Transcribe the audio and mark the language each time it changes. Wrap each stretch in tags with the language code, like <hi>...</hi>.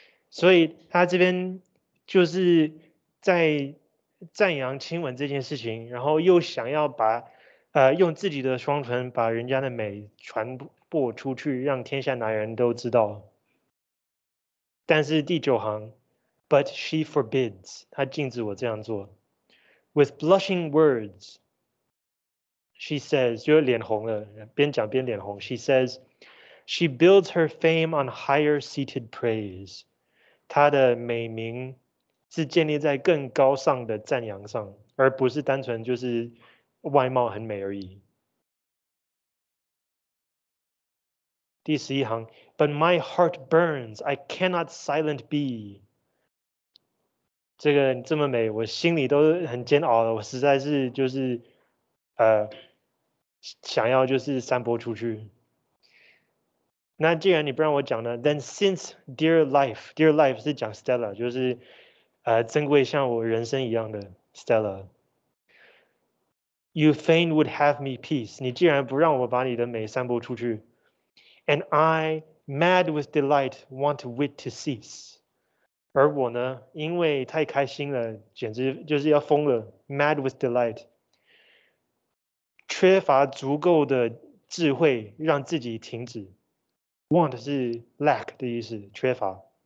<zh>所以他这边就是在赞扬亲吻这件事情，然后又想要把用自己的双唇把人家的美传播出去，让天下男人都知道。但是第九行 ，</zh> <en>But she forbids，</en> <zh>她禁止我这样做。</zh> <en>With blushing words， she says，</en> <zh>就脸红了，边讲边脸红。</zh> <en>She says， she builds her fame on higher seated praise，</en> <zh>她的美名是建立在更高尚的赞扬上，而不是单纯就是外貌很美而已。第十一行</zh> <en>，But my heart burns, I cannot silent be。</en> <zh>这个这么美，我心里都很煎熬的，我实在是就是想要就是散播出去。那既然你不让我讲呢 ，</zh> <en>then since dear life</en> <zh>是讲 Stella， 就是珍贵像我人生一样的 Stella。</zh> <en>You fain would have me peace，</en> <zh>你既然不让我把你的美散播出去</zh> <en>，and I mad with delight want wit to cease。</en> <zh>而我呢，因为太开心了，简直就是要疯了 ，</zh> <en>mad with delight，</en> <zh>缺乏足够的智慧让自己停止。 Want 是 lack 的意思，缺乏。</zh>